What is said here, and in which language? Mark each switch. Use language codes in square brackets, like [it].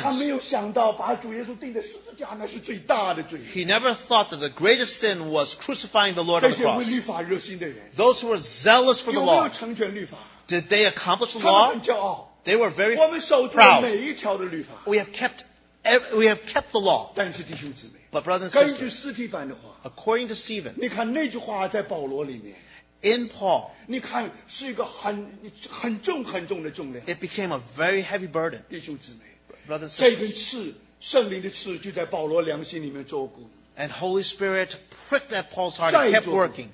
[zh] 他没有想到把主耶稣钉在十字架那是最大的罪。 [en] He never thought that the greatest sin was crucifying the Lord on the cross. [zh] 这些为律法热心的人, [en] those who were zealous for the law, [zh] 有没有成全律法? [en] Did they accomplish the law? [zh] 他们很骄傲。 [en] They were very proud. [zh] 我们守住了每一条的律法。 [en] We have kept the law. [zh] 但是弟兄姊妹, [en] but brothers and sisters, [zh] 根据斯蒂凡的话, [en] according to Stephen, [zh] 你看那句话在保罗里面, [en] in Paul, [zh] 你看是一个很重很重的重量, [en] it became a very heavy burden. [zh] 弟兄姊妹, [en] brothers and sisters, [zh] 这根刺, 圣灵的刺, 就在保罗良心里面做过, [en] and Holy Spirit pricked at Paul's heart and kept working,